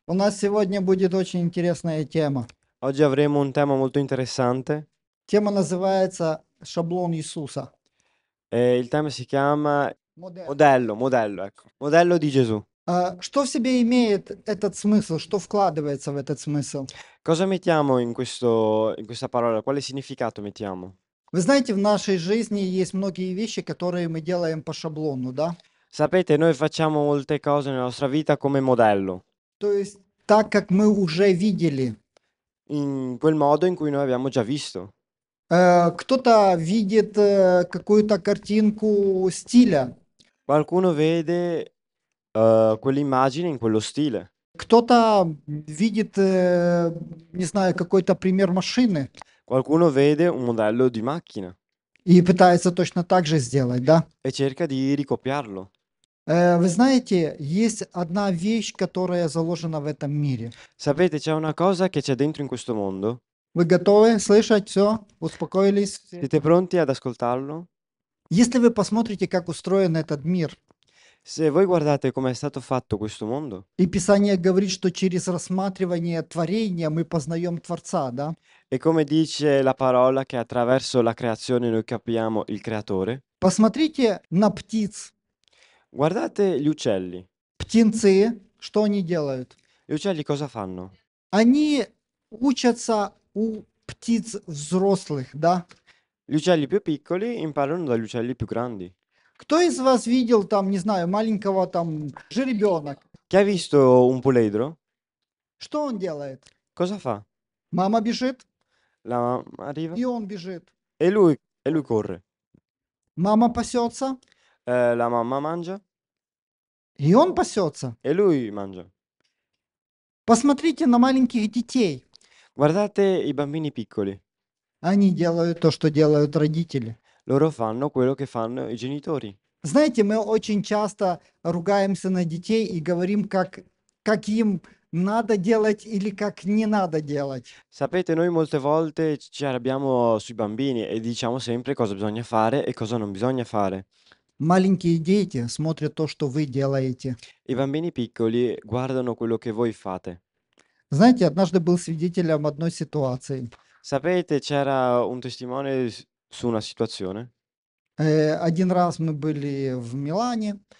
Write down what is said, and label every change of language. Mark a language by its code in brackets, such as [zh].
[ru] У нас сегодня будет очень интересная тема. [it] Oggi avremo un tema molto interessante. [ru] Тема называется «Шаблон Иисуса». [it] Il tema si chiama [ru] Модель. [it] Modello, modello, ecco. Modello di Gesù. [ru] Что в себе имеет этот смысл? Что вкладывается в этот смысл? [it] Cosa mettiamo in questa parola? Quale significato mettiamo? [ru] Вы знаете, в нашей жизни есть многие вещи, которые мы делаем по шаблону, да? [it] Sapete, noi facciamo molte cose nella nostra vita come modello. [ru] То есть так, как мы уже видели. [it] In quel modo in cui noi abbiamo già visto. [ru] Кто-то видит какую-то картинку стиля. [it] Qualcuno vede quell'immagine in quello stile. [ru] Кто-то видит, не знаю, какой-то пример машины. [it] Qualcuno vede un modello di macchina e [ru] И пытается точно так же сделать, да? [it] cerca di ricopiarlo. [ru] Вы знаете, есть одна вещь, которая заложена в этом мире. [it] Sapete, c'è una cosa che c'è dentro in questo mondo? [ru] Вы готовы слышать все? Успокоились? [it] Siete pronti ad ascoltarlo? [ru] Если вы посмотрите, как устроен этот мир, [it] Se voi guardate come è stato fatto questo mondo, [ru] и Писание говорит, что через рассматривание творения мы познаем Творца, да? [it] e come dice la parola che attraverso la creazione noi capiamo il creatore, [ru] Посмотрите на птиц. [it] guardate gli uccelli. [ru] Птенцы, что они делают? [it] Gli uccelli cosa fanno? [ru] Они учатся у птиц взрослых, да? [it] Gli uccelli più piccoli imparano dagli uccelli più grandi. [ru] Кто из вас видел там, не знаю, маленького там жеребенок? [it] Chi ha visto un puledro? [ru] Что он делает? [it] Cosa fa? [ru] Мама бежит. [it] La mamma arriva. [ru] И он бежит. [it] E lui corre. [ru] Мама пасется. [it] La mamma mangia. [ru] И он пасется. [it] E lui mangia. [ru] Посмотрите на маленьких детей. [it] Guardate i bambini piccoli. [ru] Они делают то, что делают родители. [it] Loro fanno quello che fanno i genitori. [ru] Знаете, мы очень часто ругаемся на детей и говорим, как им надо делать или как не надо делать. [it] Sapete, noi molte volte ci arrabbiamo sui bambini e diciamo sempre cosa bisogna fare e cosa non bisogna fare. [ru] Маленькие дети смотрят то, что вы делаете. [it] I bambini piccoli guardano quello che voi fate. [ru] Знаете, однажды был свидетелем одной ситуации. [it] Sapete, c'era un testimone su una situazione? [ru] Один раз мы были в Милане,